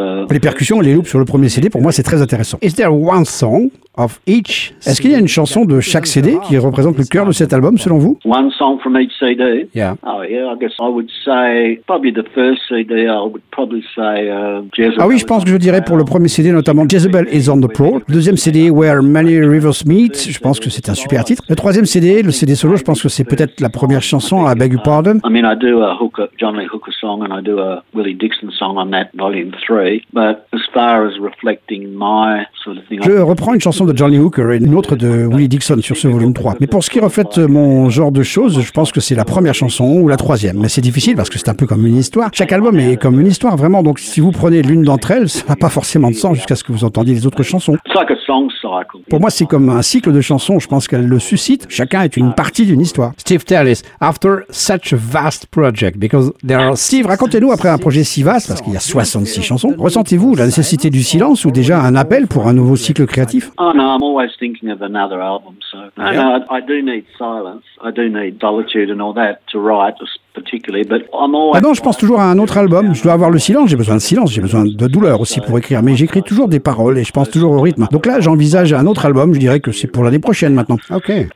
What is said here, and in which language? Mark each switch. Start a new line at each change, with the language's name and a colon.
French: Les percussions et les loops sur le premier CD, pour moi, c'est très intéressant.
English: Is there one song of each?
French: Est-ce qu'il y a une chanson de chaque CD qui représente le cœur de cet album, selon vous?
English: One song from each CD? Yeah. Oh yeah, I guess I would say probably the first CD. I would probably say Jezebel.
French: Ah oui, je pense que je dirais pour le premier CD notamment Jezebel is on the prowl. Deuxième CD, Where Many Rivers Meet. Je pense que c'est un super titre. Le troisième CD, le CD solo, je pense que c'est peut-être la première chanson à Beg Your Pardon.
English: I mean, I do a Hooker, John Lee Hooker song, and I do a Willie Dixon song on that volume.
French: Je reprends une chanson de Johnny Hooker et une autre de Willie Dixon sur ce volume 3. Mais pour ce qui reflète mon genre de choses, je pense que c'est la première chanson ou la troisième. Mais c'est difficile parce que c'est un peu comme une histoire. Chaque album est comme une histoire, vraiment. Donc si vous prenez l'une d'entre elles, ça n'a pas forcément de sens jusqu'à ce que vous entendiez les autres chansons. Pour moi, c'est comme un cycle de chansons. Je pense qu'elles le suscitent. Chacun est une partie d'une histoire.
English: Steve Tallis, after such a vast project, because there are...
French: Steve, racontez-nous après un projet si vaste, parce qu'il y a 66 chanson. Ressentez-vous la nécessité du silence ou déjà un appel pour un nouveau cycle créatif?
English: Oh non, I'm always thinking of another album, so I do need silence, I do need solitude and all that to write.
French: Je pense toujours à un autre album. Je dois avoir le silence, j'ai besoin de silence, j'ai besoin de douleur aussi pour écrire. Mais j'écris toujours des paroles et je pense toujours au rythme. Donc là, j'envisage un autre album, je dirais que c'est pour l'année prochaine maintenant. Ok.